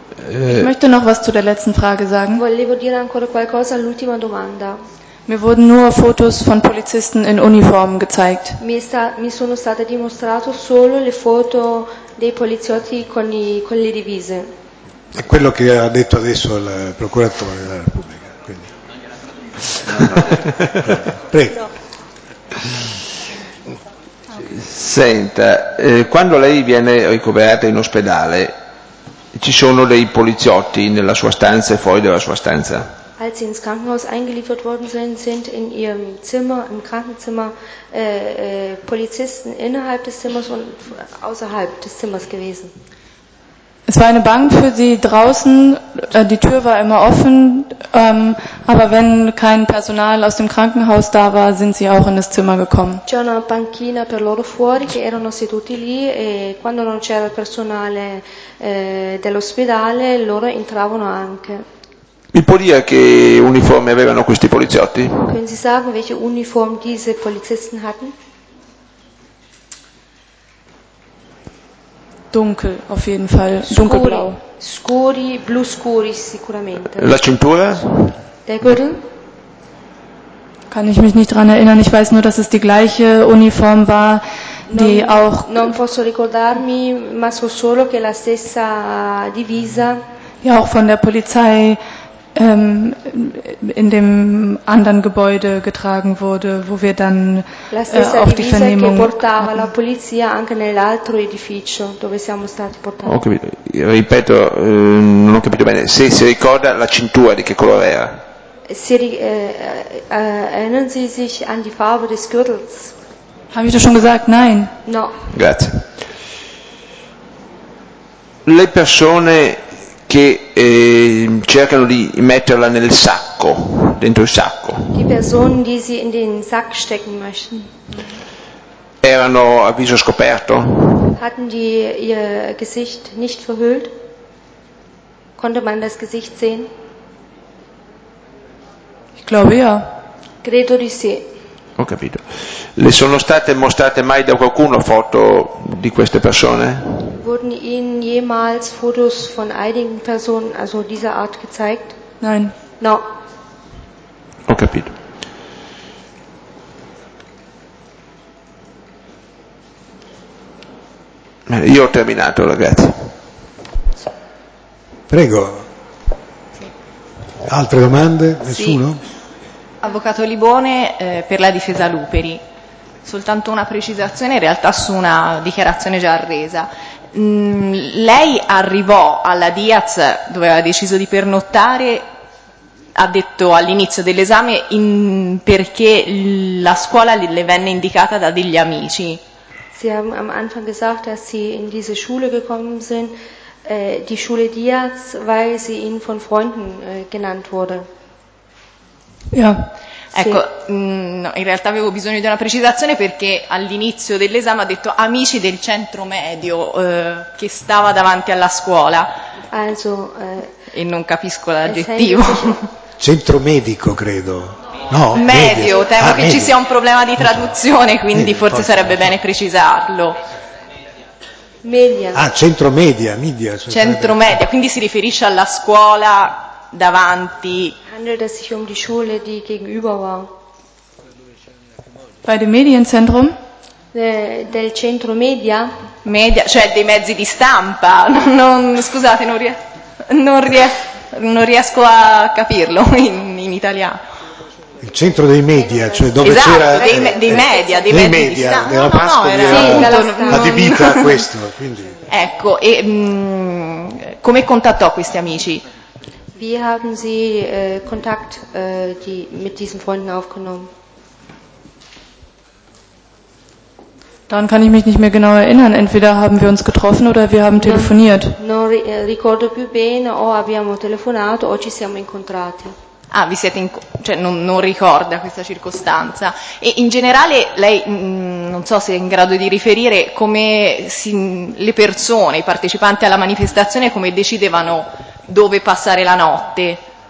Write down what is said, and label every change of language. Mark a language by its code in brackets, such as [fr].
[de] Ich möchte noch was zu der letzten Frage sagen. [it] Volevo dire ancora qualcosa all'ultima domanda. [de] Mir wurden nur Fotos von Polizisten in Uniform gezeigt. [it] Mi sono state dimostrate solo le foto dei poliziotti con le divise. È quello che ha detto adesso il procuratore della Repubblica. Quindi. Prego. No. Senta, quando lei viene ricoverata in ospedale, ci sono dei poliziotti nella sua stanza e fuori dalla sua stanza? [de] Als sie ins Krankenhaus eingeliefert worden sind, sind in ihrem Zimmer, im Krankenzimmer, Polizisten innerhalb des Zimmers und außerhalb des Zimmers gewesen. Es war eine Bank für sie draußen, die Tür war immer offen, aber wenn kein Personal aus dem Krankenhaus da war, sind sie auch in das Zimmer gekommen. [it] C'è una panchina per loro fuori, che erano seduti lì, e quando non c'era il personale dell'ospedale, loro entravano anche. Mi può dire che uniformi avevano questi poliziotti? [de] Können Sie sagen, welche Uniform diese Polizisten hatten? Dunkel, auf jeden Fall. Dunkelblau. [it] Scuri, blu scuri, sicuramente. La cintura? [de] Der Gürtel? Kann ich mich nicht dran erinnern. Ich weiß nur, dass es die gleiche Uniform war, die [it] non, [de] auch. [it] Non posso ricordarmi, ma so solo che la stessa divisa. [de] Ja, auch von der Polizei. In dem anderen Gebäude getragen wurde, wo wir dann auf die Vernehmung [it] portava la polizia anche nell'altro edificio dove siamo stati portati. Ho capito. Ripeto, non ho capito bene. Se si ricorda la cintura di che colore era? [de] Erinnern Sie sich an die Farbe des Gürtels? Habe ich das schon gesagt? Nein. [it] No. Grazie. Le persone che cercano di metterla nel sacco, dentro il sacco. [de] Die Personen, die sie in den Sack stecken möchten. [it] Erano a viso scoperto? [de] Hatten die ihr Gesicht nicht verhüllt? Konnte man das Gesicht sehen? Ich glaube ja. [it] Credo di sì. Ho capito. Le sono state mostrate mai da qualcuno foto di queste persone? [de] Wurden Ihnen jemals Fotos von einigen Personen, also dieser Art, gezeigt? Nein. [it] No. Ho capito. Io ho terminato, ragazzi. Prego. Altre domande? Nessuno? Sì. Avvocato Libone, per la difesa Luperi. Soltanto una precisazione, in realtà, su una dichiarazione già resa. Lei arrivò alla Diaz, dove aveva deciso di pernottare, ha detto all'inizio dell'esame, perché la scuola le venne indicata da degli amici. [de] Sie haben am Anfang gesagt, dass Sie in diese Schule gekommen sind, die Schule Diaz, weil sie Ihnen von Freunden genannt wurde. Ja. [it] Ecco, in realtà avevo bisogno di una precisazione perché all'inizio dell'esame ha detto amici del centro medio che stava davanti alla scuola. [de] Also, [it] e non capisco l'aggettivo. Centro medico, credo. No, medio, temo che medio. Ci sia un problema di traduzione, quindi medio, forse sarebbe bene precisarlo. Media. Ah, centro media. Cioè centro sarebbe... media, quindi si riferisce alla scuola davanti. [de] Handelt es sich um die Schule, die gegenüber war? Bei dem Medienzentrum? [it] Del centro media? Media, cioè dei mezzi di stampa. Non riesco a capirlo in italiano. Il centro dei media, cioè dove esatto, c'era... dei media, di stampa. No, era Pasqua, adibita a questo, quindi... Ecco, e come contattò questi amici? [de] Wie haben Sie Kontakt mit diesen Freunden aufgenommen? Dann kann ich mich nicht mehr genau erinnern. Entweder haben wir uns getroffen oder wir haben telefoniert. [it] Non ricordo più bene, o abbiamo telefonato o ci siamo incontrati. Ah, vi siete non ricorda questa circostanza. E in generale lei non so se è in grado di riferire come le persone, i partecipanti alla manifestazione, come decidevano dove passare la notte.